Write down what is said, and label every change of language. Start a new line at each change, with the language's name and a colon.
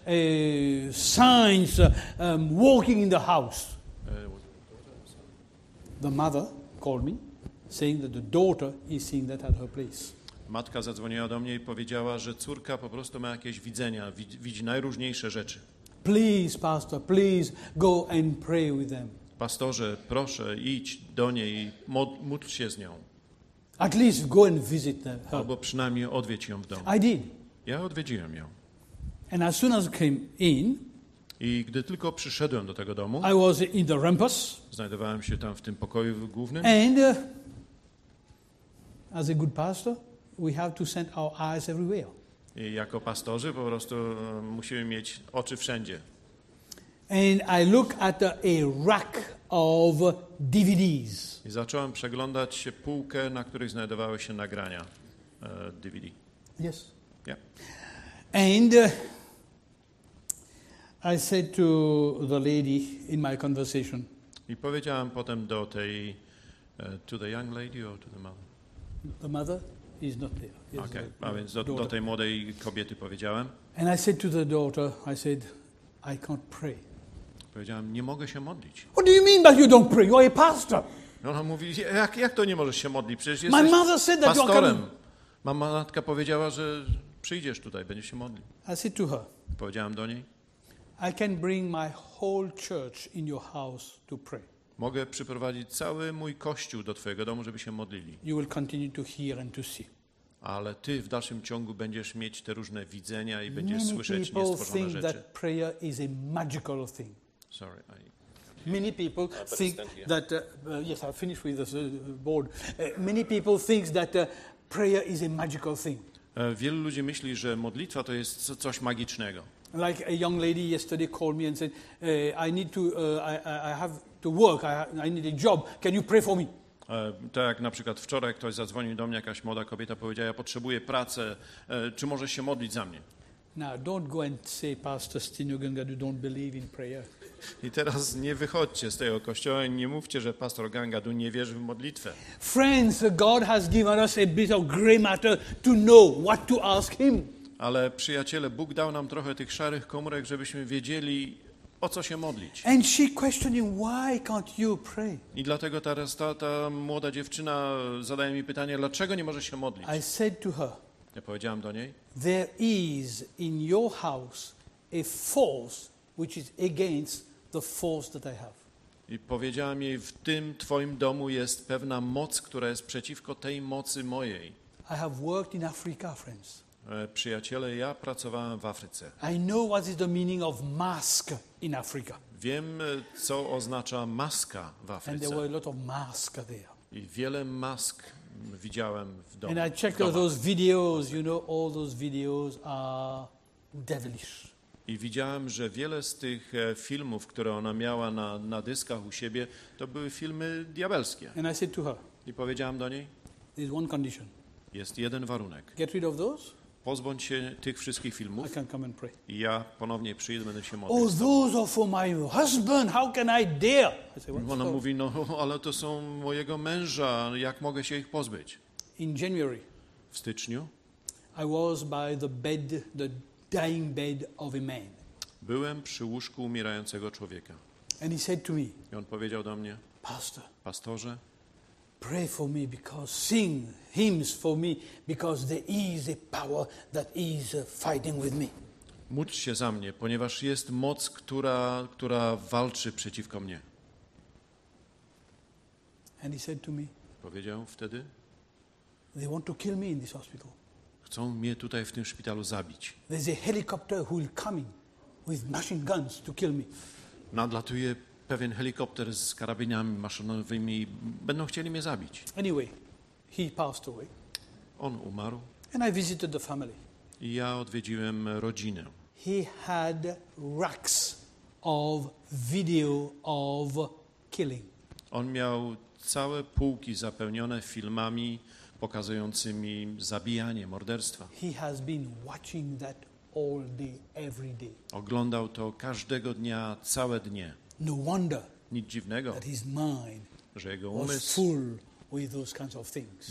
English: He sees signs walking in the house. The mother called me, saying that the daughter is seeing that at her place.
Polish: Matka zadzwoniła do mnie i powiedziała, że córka po prostu ma jakieś widzenia, widzi najróżniejsze rzeczy.
English: Please, pastor, please go and pray with them.
Polish: Pastorze, proszę, idź do niej, módl się z nią.
English: At least go and visit them.
Polish: Albo przynajmniej odwiedź ją w domu.
English: I did.
Polish: Ja odwiedziłem ją.
English: And as soon as I came in,
Polish: i gdy tylko przyszedłem do tego domu,
English: I was in the rampas.
Polish: Znajdowałem się tam w tym pokoju głównym.
English: And as a good pastor, we have to send our eyes everywhere.
Polish: I jako pastorzy po prostu musimy mieć oczy wszędzie.
English: And I look at a rack of DVDs.
Polish: I zacząłem przeglądać półkę, na której znajdowały się nagrania DVD.
English: Yes. Yeah. And I said to the lady in my conversation.
Polish: I powiedziałem potem do tej
English: to the young lady or to the mother? The mother. He's not there. Okay.
Polish: A więc do tej młodej kobiety powiedziałem.
English: And I said to the daughter, I said, I can't pray.
Polish: Powiedziałem, nie mogę się modlić.
English: What do you mean by you don't pray? You are a pastor.
Polish: Ona mówi, jak to nie możesz się modlić? Przecież jesteś
English: my mother said that
Polish: pastorem. Mama matka powiedziała, że przyjdziesz tutaj, będziesz się modlił.
English: I said to her.
Polish: Powiedziałem do niej.
English: I can bring my whole church in your house to pray.
Polish: Mogę przyprowadzić cały mój kościół do twojego domu, żeby się modlili.
English: You will continue to hear and to see.
Polish: Ale ty w dalszym ciągu będziesz mieć te różne widzenia i będziesz słyszeć niestworzone rzeczy.
English: Think that prayer is a magical thing. Sorry, I... Many people think that yes, I'll finish with this board. Many people think that prayer is a magical thing.
Polish: Wielu ludzi myśli, że modlitwa to jest coś magicznego.
English: Like a young lady yesterday called me and said, I have to work, I need a job, can you pray for me?
Polish: Tak jak na przykład wczoraj ktoś zadzwonił do mnie, jakaś młoda kobieta powiedziała, ja potrzebuję pracy, czy możesz się modlić za mnie?
English: Now don't go and say, Pastor Stino Ganga, you don't believe in prayer.
Polish: I teraz nie wychodźcie z tego kościoła i nie mówcie, że pastor Gangadu nie wierzy w modlitwę.
English: Friends, God has given us a bit of gray matter to know what to ask him.
Polish: Ale przyjaciele, Bóg dał nam trochę tych szarych komórek, żebyśmy wiedzieli, o co się modlić.
English: And she questioning, why can't you pray?
Polish: I dlatego teraz ta młoda dziewczyna zadaje mi pytanie, dlaczego nie może się modlić?
English: I said to her,
Polish: ja powiedziałem do niej,
English: there is in your house a force which is against the force that I have.
Polish: I powiedziałem jej, w tym twoim domu jest pewna moc, która jest przeciwko tej mocy mojej.
English: I have worked in Africa, friends.
Polish: Przyjaciele, ja pracowałem w Afryce.
English: I know what is the meaning of mask in Africa.
Polish: Wiem, co oznacza maska w Afryce.
English: And there were a lot of masks there.
Polish: I wiele mask widziałem w domu.
English: And I checked all those videos, you know, all those videos are devilish.
Polish: I widziałem, że wiele z tych filmów, które ona miała na dyskach u siebie, to były filmy diabelskie.
English: And I said to her,
Polish: i powiedziałem do niej,
English: there's one condition.
Polish: Jest jeden warunek.
English: Get rid of those.
Polish: Pozbądź się tych wszystkich filmów.
English: I can come and pray.
Polish: I ja ponownie przyjdę, będę się modlić.
English: Oh, those are for my husband. How can I dare?
Polish: Ona mówi, no ale to są mojego męża. Jak mogę się ich pozbyć?
English: In January,
Polish: w styczniu,
English: I was by the bed, the dying bed of a man.
Polish: Byłem przy łóżku umierającego człowieka.
English: And he said to me,
Polish: i on powiedział do mnie,
English: Pastor,
Polish: pastorze,
English: pray for me because sing hymns for me because there is a power that is fighting with me.
Polish: Módl się za mnie, ponieważ jest moc, która walczy przeciwko mnie.
English: And he said to me,
Polish: powiedział wtedy,
English: they want to kill me in this hospital.
Polish: Chcą mnie tutaj w tym szpitalu zabić.
English: There's a helicopter who will come with machine guns to kill me.
Polish: Nadlatuje pewien helikopter z karabinami maszynowymi, będą chcieli mnie zabić.
English: Anyway, he passed away.
Polish: On umarł.
English: And I visited the family.
Polish: I ja odwiedziłem rodzinę.
English: He had racks of video of killing.
Polish: On miał całe półki zapełnione filmami pokazującymi zabijanie, morderstwa.
English: He has been watching that all day, every day.
Polish: Oglądał to każdego dnia, całe dnie.
English: No wonder,
Polish: nic dziwnego,
English: that his mind,
Polish: że jego umysł
English: was full with those kinds of things.